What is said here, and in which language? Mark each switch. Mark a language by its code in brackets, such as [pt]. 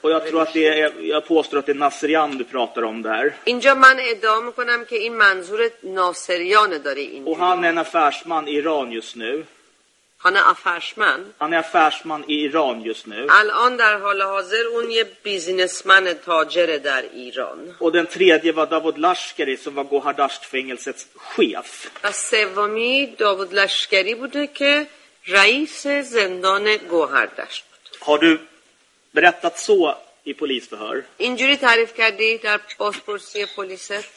[sv] و jag tror att det är, jag påstår att det är Nasrian du pratar om där. [fa] اینجا من ادعا میکنم که این منظور ناصریان داره اینجا. [sv] و han är en affärsman i Iran just nu. Han är affärsman. Han är affärsman i Iran just nu. [fa] الان در حال حاضر اون یه بیزینسمن تاجر در ایران. [sv] Och den tredje var Davud Lashkari som var Gohardasht fängelsets chef. [fa] سومی داوود لشکری بوده که رئیس زندان گوهردشت بود. [sv] Har du berättat så i polisförhör? [fa] اینجوری تعریف کردی در بازپرسی پلیس؟